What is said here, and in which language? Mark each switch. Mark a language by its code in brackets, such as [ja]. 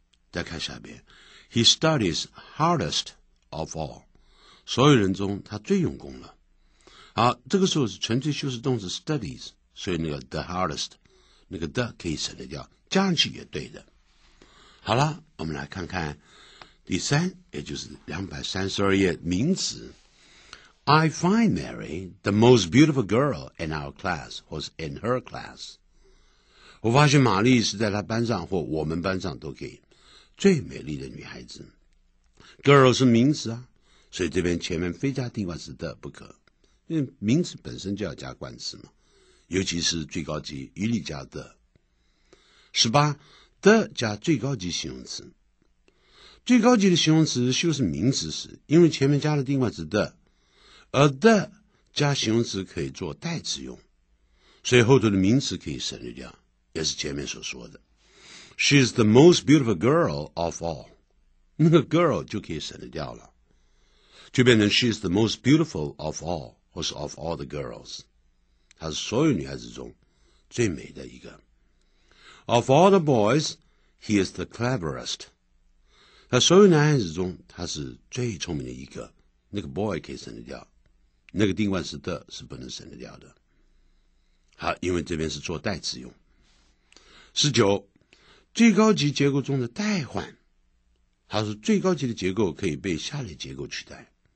[zh] 再看下边 ， [en] He studies hardest of all， [zh] 所有人中他最用功了。好，这个时候是纯粹修饰动词 studies， 所以那个 [en] the hardest， [zh] 那个 the 可以省略掉，加上去也对的。好了，我们来看看第三，也就是232页名词。 [en] I find Mary the most beautiful girl in our class or in her class. [zh] 我发现玛丽是在她班上或我们班上都可以最美丽的女孩子。 Girl 是名词啊，所以这边前面非加定冠词的不可，因为名词本身就要加冠词嘛，尤其是最高级一律加的。 18的加最高级形容词，最高级的形容词修饰名词时，因为前面加了定冠词的，而的加形容词可以做代词用，所以后头的名词可以省略掉，也是前面所说的。 [en] She is the most beautiful girl of all， 那个 girl [zh] 就可以省略掉了，就变成 [en] She is the most beautiful of all， 或是 of all the girls， [zh] 她是所有女孩子中最美的一个。 [en] Of all the boys, he is the cleverest. [zh] 他所有男孩子中，他是最聪明的一个。那个 boy 可以省得掉，那个定冠词的是不能省得掉的。好，因为这边是做代词用。19，最高级结构中的代换，他是最高级的结构可以被下列结构取代。